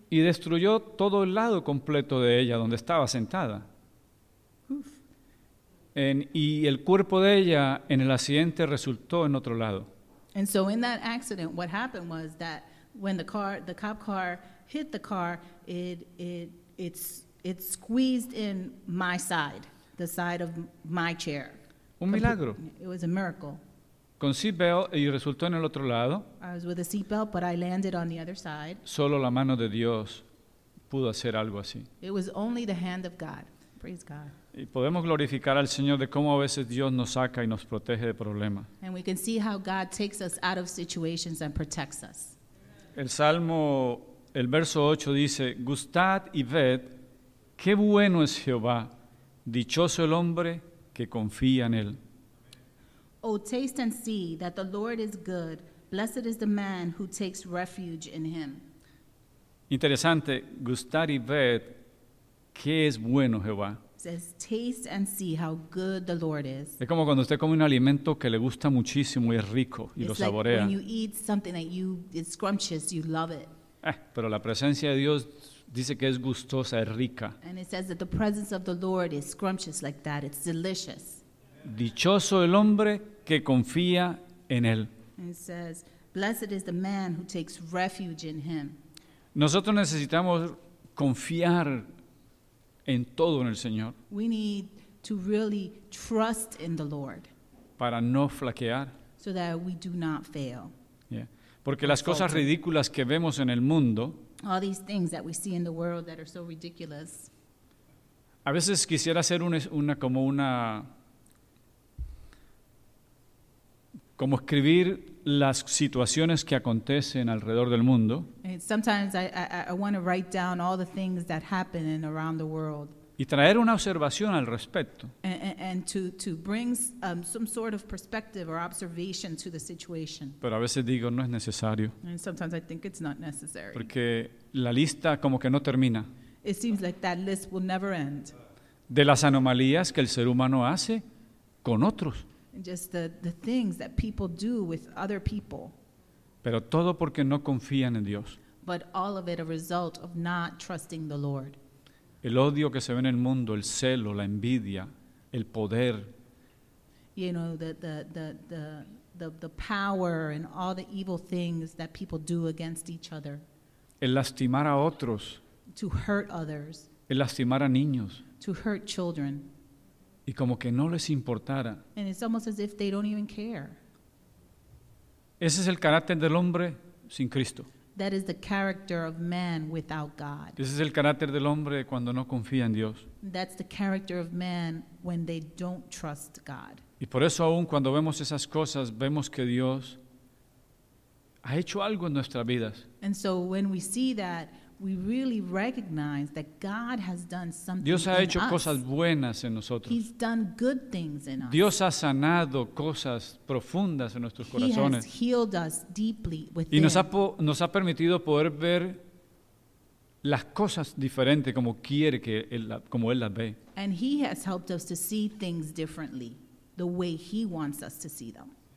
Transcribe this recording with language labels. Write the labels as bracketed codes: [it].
[es] Y destruyó todo el lado completo de ella donde estaba sentada. Oof. Y el cuerpo de ella en el accidente resultó en otro lado. [en] And so in that accident, what happened was that when the cop car hit the car, it squeezed in my side, the side of my chair. [es] Un milagro. [en] It was a miracle. [es] Con seatbelt y resultó en el otro lado. [en] I was with a seatbelt, but I landed on the other side. [es] Solo la mano de Dios pudo hacer algo así. [en] It was only the hand of God. Praise God. [es] Y podemos glorificar al Señor de cómo a veces Dios nos saca y nos protege de problemas. [en] And we can see how God takes us out of situations and protects us. [es] El Salmo, el verso 8 dice, gustad y ved, qué bueno es Jehová, dichoso el hombre que confía en él. [en] Oh, taste and see that the Lord is good. Blessed is the man who takes refuge in him. [es] Interesante, gustar y ver qué es bueno Jehová. [en] It says, taste and see how good the Lord is. [es] Es como cuando usted come un alimento que le gusta muchísimo y es rico y [en] it's [es] lo saborea. [en] It's like when you eat something that it's scrumptious, you love it. [es] Pero la presencia de Dios dice que es gustosa, es rica. [en] And it says that the presence of the Lord is scrumptious like that, it's delicious. [es] Dichoso el hombre que confía en él. [en] It says, blessed is the man who takes refuge in him. [es] Nosotros necesitamos confiar en todo en el Señor. [en] We need to really trust in the Lord. [es] Para no flaquear. [en] So that we do not fail. Yeah. [es] Porque las cosas ridículas que vemos en el mundo. [en] All these things that we see in the world that are so ridiculous. [es] A veces quisiera hacer una como escribir las situaciones que acontecen alrededor del mundo. [en] Sometimes I want to write down all the things that happen around the world. [es] Y traer una observación al respecto. [en] And to bring some sort of perspective or observation to the situation. [es] Pero a veces digo, no es necesario. [en] And sometimes I think it's not necessary. [es] Porque la lista como que no termina. [en] It seems like that list will never end. [es] De las anomalías que el ser humano hace con otros. [en] Just the things that people do with other people. [es] Pero todo porque no confían en Dios. [en] But all of it a result of not trusting the Lord. [es] El odio que se ve en el mundo, el celo, la envidia, el poder. [en] You know, the power and all the evil things that people do against each other. [es] El lastimar a otros. [en] To hurt others. [es] El lastimar a niños. [en] To hurt children. [es] Y como que no les importara. [en] And it's almost as if they don't even care. [es] Ese es el carácter del hombre sin Cristo. [en] That is the character of man without God. [es] Ese es el carácter del hombre cuando no confía en Dios. [en] That's the character of man when they don't trust God. [es] Y por eso aún cuando vemos esas cosas, vemos que Dios ha hecho algo en nuestras vidas. [en] And so when we see that, we really recognize that God has done something in us. [es] Dios ha hecho cosas buenas en nosotros. [en] He's done good things in us. [es] Dios ha sanado cosas profundas en nuestros corazones. [en] He has healed us deeply within. [es] Y nos ha permitido poder ver las cosas diferentes como quiere que como él las ve. [en] And he has helped us to see things differently, the way he wants us to see them.